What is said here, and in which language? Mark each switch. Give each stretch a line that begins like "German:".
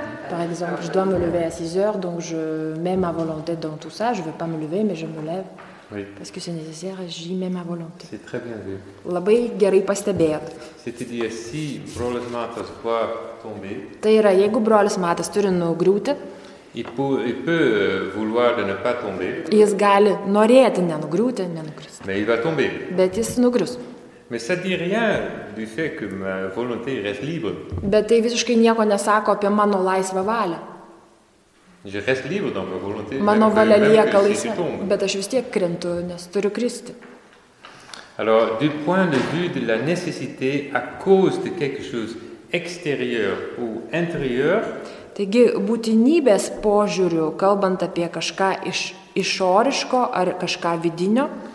French: Par exemple, je dois me lever à 6 heures, donc je mets ma volonté dans tout ça. Je ne veux pas me lever, mais je me lève. Oui. Parce que c'est nécessaire, j'y mets ma volonté. C'est très bien vu.
Lithuanian: Labai gerai pastebėt.
French: C'est-à-dire, si brolis Matas doit tomber,
Lithuanian: tai yra, jeigu brolis Matas turi nugriūti,
French: il peut vouloir de ne pas tomber,
Lithuanian: jis gali norėti nenugriūti, nenukristi.
French: Mais il va tomber.
Lithuanian: Bet jis nugrius.
French: Mais ça dit rien du fait que ma volonté reste libre.
Lithuanian: Bet tai visiškai nieko nesako apie mano laisvą valią.
French: Je reste libre dans ma volonté.
Lithuanian: Mano valia lieka laisva, bet aš vis tiek krentu, nes turiu kristi.
French: Alors, du point de vue de la nécessité à cause de quelque chose extérieur ou intérieur,
Lithuanian: taigi, būtinybės požiūriu, kalbant apie kažką išoriško ar kažką vidinio,